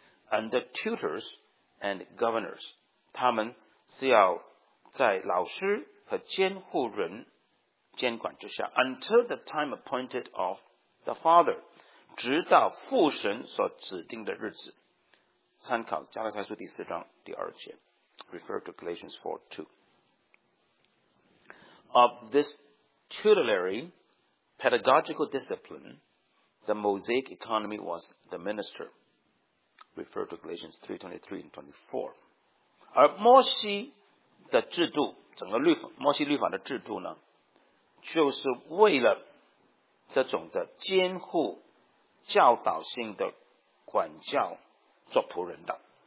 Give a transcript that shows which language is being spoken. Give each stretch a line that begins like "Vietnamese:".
English: Under tutors and governors
Chinese: 他们是要在老师和监护人监管之下
English: Until the time appointed of the father
Chinese: 直到父神所指定的日子参考加拉太书第四章第二节
English: Refer to Galatians 4:2. Of this tutelary pedagogical discipline, the Mosaic economy was the minister. Refer to Galatians 3:23-24.
Chinese: 而摩西的制度，整个律法，摩西律法的制度呢，就是为了这种的监护教导性的管教做仆人的。